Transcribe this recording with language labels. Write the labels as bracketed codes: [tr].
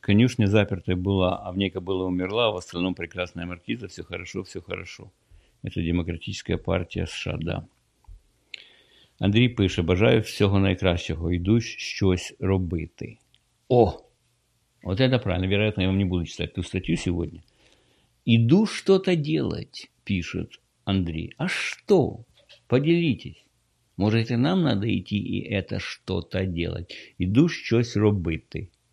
[ru] Конюшня запертая была, а в ней кобыла умерла, а в остальном прекрасная маркиза, все хорошо, все хорошо. Это демократическая партия США, да. [uk] Андрій пише. Бажаю всього найкращого. Йду щось робити. [ru] О, вот это правильно. Вероятно, я вам не буду читать ту статью сегодня. «Иду что-то делать», – пишет Андрей. «А что? Поделитесь. Может, и нам надо идти и это что-то делать? Иду что-то робити».